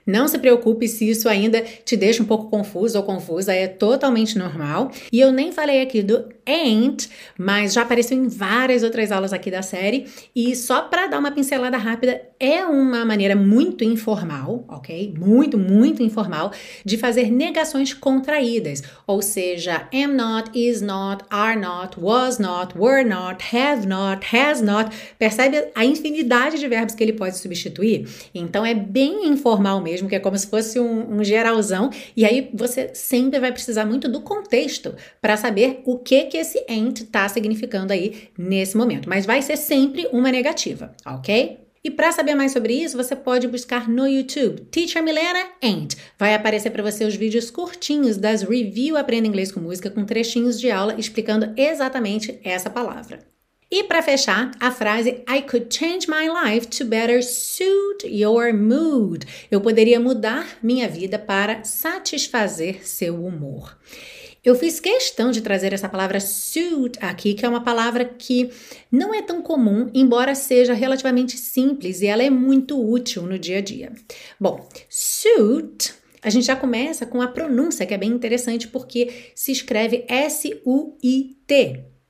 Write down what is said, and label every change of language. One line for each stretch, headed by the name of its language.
Portuguese: Não se preocupe se isso ainda te deixa um pouco confuso ou confusa, é totalmente normal. E eu nem falei aqui do ain't, mas já apareceu em várias outras aulas aqui da série, e só para dar uma pincelada rápida, é uma maneira muito informal, ok? Muito, muito informal, de fazer negações contraídas, ou seja,
English: am not, is not, are not, was not, were not, have not, has not.
Portuguese: Percebe a infinidade de verbos que ele pode substituir? Então é bem informal mesmo, que é como se fosse um geralzão, e aí você sempre vai precisar muito do contexto para saber o que esse ain't está significando aí nesse momento, mas vai ser sempre uma negativa, ok? E para saber mais sobre isso, você pode buscar no YouTube, Teacher Milena Ain't. Vai aparecer para você os vídeos curtinhos das Review Aprenda Inglês com Música, com trechinhos de aula explicando exatamente essa palavra. E para fechar, a frase
English: I could change my life to better suit your mood.
Portuguese: Eu poderia mudar minha vida para satisfazer seu humor. Eu fiz questão de trazer essa palavra suit aqui, que é uma palavra que não é tão comum, embora seja relativamente simples e ela é muito útil no dia a dia. Bom, suit, a gente já começa com a pronúncia, que é bem interessante porque se escreve S-U-I-T.